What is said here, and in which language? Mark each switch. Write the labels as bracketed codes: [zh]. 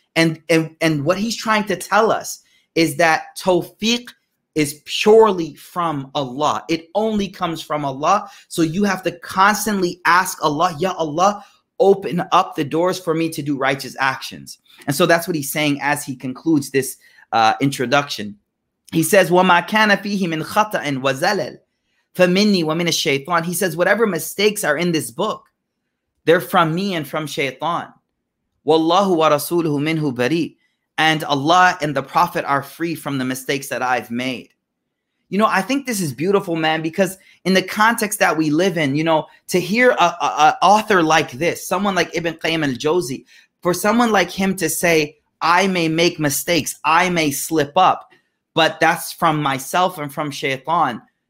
[en] And what he's trying to tell us is that tawfiq is purely from Allah. It only comes from Allah. So you have to constantly ask Allah, Ya Allah, open up the doors for me to do righteous actions. And so that's what he's saying as he concludes this introduction. He says, [ar] وَمَا كَانَ فِيهِ مِنْ خَطَأٍ وَزَلَلٍ فَمِنِّي وَمِنَ الشَّيْطَانِ. [en] He says, whatever mistakes are in this book, they're from me and from shaytan. [ar] وَاللَّهُ وَرَسُولُهُ مِنْهُ بَرِيءٌ. [en] And Allah and the Prophet are free from the mistakes that I've made. You know, I think this is beautiful, man, because in the context that we live in, you know, to hear an author like this, someone like Ibn Qayyim al-Jawzi, for someone like him to say, I may make mistakes, I may slip up, but that's from myself and from shaytan.